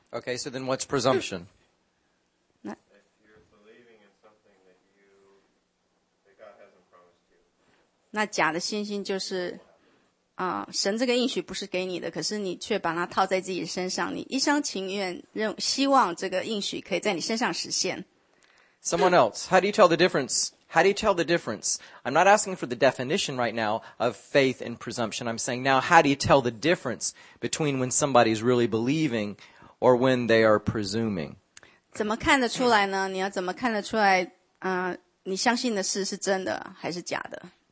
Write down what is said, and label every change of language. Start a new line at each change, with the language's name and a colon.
English: Okay, so then what's presumption? If you're believing in something that God hasn't promised you.
Chinese: 那假的信心就是神这个应许不是给你的，可是你却把它套在自己身上，你一厢情愿希望这个应许可以在你身上实现。
English: Someone else, how do you tell the difference? How do you tell the difference? I'm not asking for the definition right now of faith and presumption. I'm saying now, how do you tell the difference between when somebody's really believing or when they are presuming?
Chinese: 怎么看得出来呢? 你要怎么看得出来, 你相信的事是真的还是假的?